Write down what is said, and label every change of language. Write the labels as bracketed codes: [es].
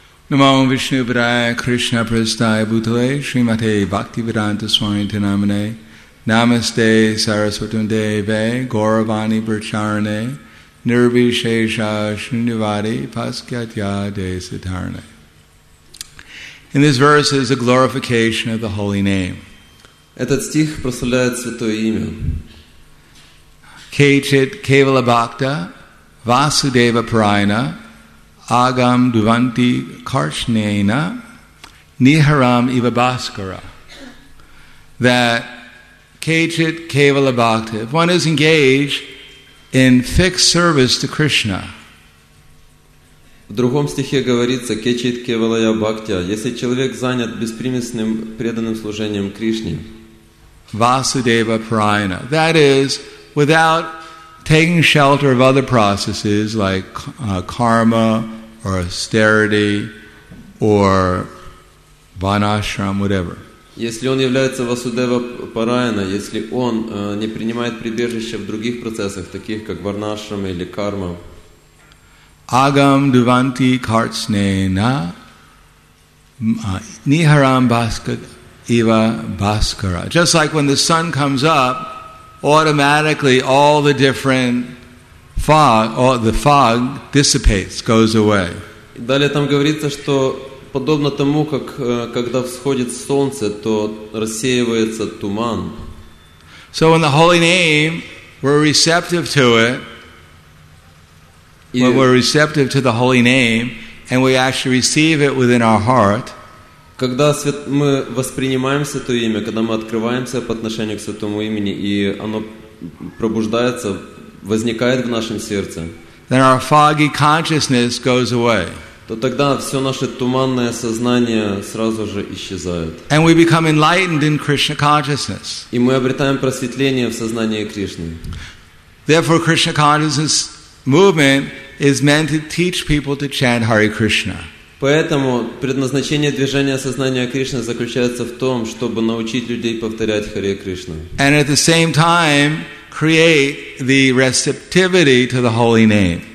[sa] Намо вишну брая кришна престая бутале шримате бхакти веданта свами тинамане намасте сарасватун деве горавани бирчаране Nirvishesha Shunivadi Paskatya De Sitarne. [en] In this verse is a glorification of the holy name. [ru] Этот стих прославляет святое имя. [sa] Kechit Kevala Bhakta Vasudeva Parayana Agam Duvanti Karshneena Niharam Iva Bhaskara. [en] That [sa] Kechit Kevala Bhakta, [en] if one is engaged in fixed service to Krishna. [ru] В другом стихе говорится, [sa] кечит кевалая бхактя, [ru] если человек занят беспримесным преданным служением Кришне. [sa] Vasudeva Parayana. [en] That is, without taking shelter of other processes like karma or austerity or vanashram, whatever. [ru] Если он является Васудева Парайана, если он не принимает прибежище в других процессах, таких как варнашрама или карма. [sa] Агам дуванти картснена нихарам баска ива баскара. [en] Just like when the sun comes up, automatically all the different fog, all the fog dissipates, goes away. [ru] Далее там говорится, что подобно тому, как когда всходит солнце, то рассеивается туман. [en] So in the holy name, we're receptive to it. When we're receptive to the holy name, and we actually receive it within our heart. [ru] Когда мы воспринимаем святое имя, когда мы открываемся по отношению к святому имени, и оно пробуждается, возникает в нашем сердце. [en] Then our foggy consciousness goes away. [ru] То тогда все наше туманное сознание сразу же исчезает. [en] And we become enlightened in Krishna consciousness. [ru] И мы обретаем просветление в сознании Кришны. [en] Therefore, Krishna consciousness movement is meant to teach people to chant Hare Krishna. [ru] Поэтому предназначение движения сознания Кришны заключается в том, чтобы научить людей повторять Харе Кришна. [en] And at the same time, create the receptivity to the holy name.